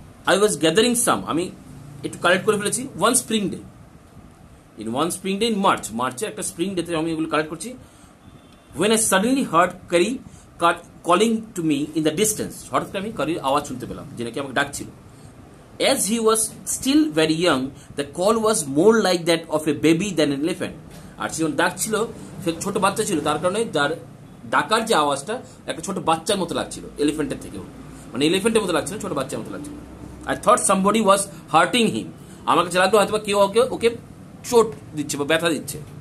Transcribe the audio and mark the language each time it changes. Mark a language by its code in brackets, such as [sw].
[en] I was gathering some, [bn] আমি একটু collect করে ফেলেছি [en] one spring day, in one spring day in March, [bn] মার্চে একটা স্প্রিং ডেতে আমি ওগুলো কালেক্ট করছি। [en] when I suddenly heard Kari calling to me in the distance, [bn] হঠাৎ করে আমি কারির আওয়াজ শুনতে পেলাম যে নাকি আমাকে ডাকছিল। [en] As he was still very young, the call was more like that of a baby than an elephant. [bn] আর যখন ডাকছিল সে ছোট বাচ্চা ছিল, তার কারণে তার ডাকার যে আওয়াজটা একটা ছোট বাচ্চার মতো লাগছিল এলিফেন্টের থেকেও, মানে এলিফেন্টের মতো লাগছিল, ছোট বাচ্চার মতো লাগছিল। [en] I thought somebody was hurting him, [bn] আমার কাছে লাগলো হয়তো কেউ ওকে ওকে চোট দিচ্ছে বা ব্যথা দিচ্ছে।